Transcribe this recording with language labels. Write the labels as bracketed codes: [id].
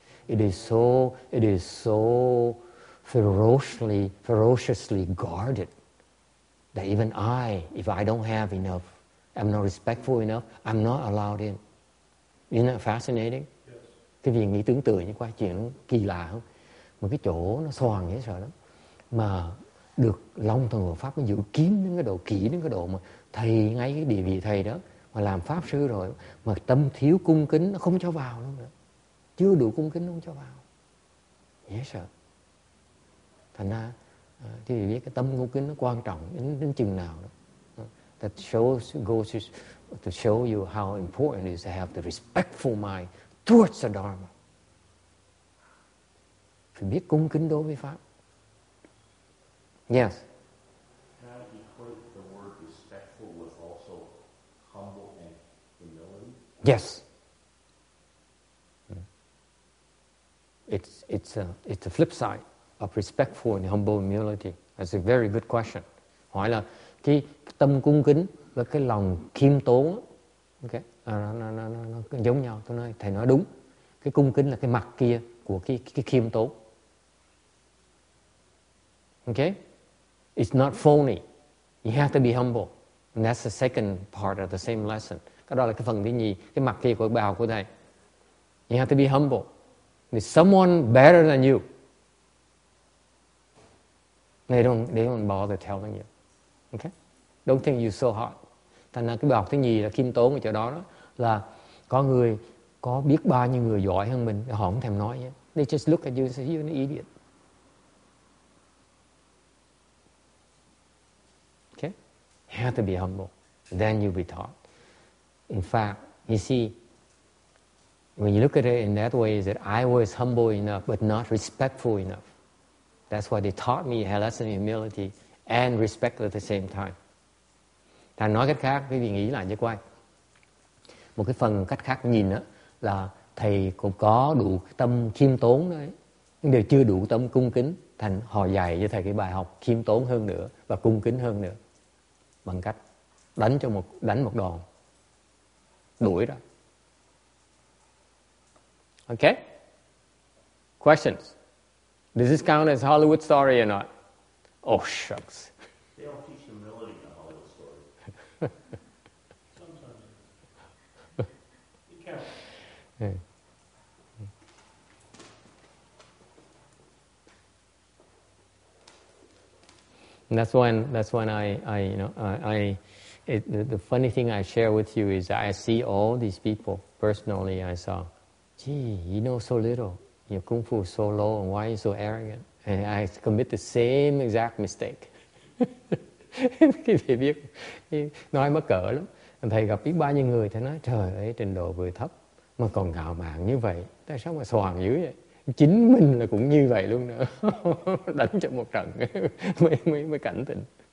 [en] It is so ferociously guarded that even I, if I don't have enough, I'm not respectful enough, I'm not allowed in. Isn't that fascinating? Yes. [vi] Cái việc nghĩ tưởng tượng như qua chuyện kỳ lạ không? Một cái chỗ nó xoàng dễ sợ lắm. Mà được Long Thần Hộ Pháp nó giữ kín đến cái độ kỹ, đến cái độ mà thầy ngay cái địa vị thầy đó mà làm Pháp Sư rồi mà tâm thiếu cung kính nó không cho vào luôn nữa. Chưa đủ cung kính nó không cho vào. Dễ sợ. Thành ra, thì biết cái tâm cung kính nó quan trọng đến chừng nào đó. [en] That shows, goes to show you how important it is to have the respectful mind towards the Dharma. [vi] Phải biết cung kính đối với Pháp. [en] Yes. Can I equate the word respectful with also humble and humility? Yes. it's the flip side of respectful and humble humility. That's a very good question. [vi] Hỏi là cái tâm cung kính với cái lòng khiêm tốn, okay, nó giống nhau. Tôi nói thầy nói đúng. Cái cung kính là cái mặt kia của cái khiêm tốn. [en] Okay, it's not phony. You have to be humble. And that's the second part of the same lesson. [vi] Cái đó là cái phần thứ nhì, cái mặt kia của bài học của thầy. [en] You have to be humble. There's someone better than you. They don't bother telling you. Okay? Don't think you're so hot. [vi] Thành ra cái bài học thứ nhì là khiêm tốn ở chỗ đó, đó là có người có biết bao nhiêu người giỏi hơn mình, họ không thèm nói. [en] Yeah? They just look at you and say, you're an idiot. Okay? You have to be humble. Then you'll be taught. In fact, you see, when you look at it in that way, is that I was humble enough, but not respectful enough. That's why they taught me a lesson in humility and respect at the same time. [vi] Thầy nói cách khác, quý vị nghĩ lại như quay. Một cái phần cách khác nhìn đó, là thầy cũng có đủ tâm khiêm tốn đấy, nhưng đều chưa đủ tâm cung kính. Thành họ dạy cho thầy cái bài học khiêm tốn hơn nữa và cung kính hơn nữa bằng cách đánh một đòn, đuổi ra. [en] Okay? Questions? Does this count as Hollywood story or not? Oh, shucks. They all teach humility in a Hollywood story. Sometimes. Be careful. Yeah. And that's when the funny thing I share with you is I see all these people personally. I saw, gee, you know so little, your kung fu is so low, and why are you so arrogant? And I commit the same exact mistake. [vi] Khi thầy biết nói mắc cỡ lắm, thầy gặp biết bao nhiêu người, thầy nói trời ơi, trình độ vừa thấp mà còn ngạo mạn như vậy, tại sao mà xoàng dữ vậy? Chính mình là cũng như vậy luôn nữa. Đánh cho một trận mới cảnh tỉnh.